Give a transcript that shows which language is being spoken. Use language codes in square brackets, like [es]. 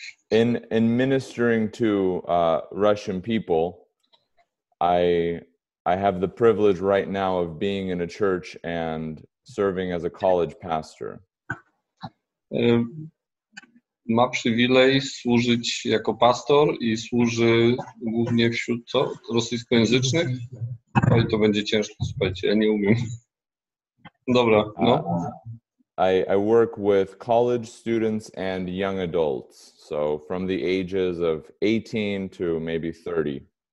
[en] In ministering to Russian people, I have the privilege right now of being in a church and serving as a college pastor. [pl] Ma przywilej służyć jako pastor i służy głównie wśród co? Rosyjskojęzycznych? Oj, to będzie ciężko, słuchajcie, ja nie umiem. Dobra, no. [en] I work with college students and young adults, so from the ages of 18 to maybe 30.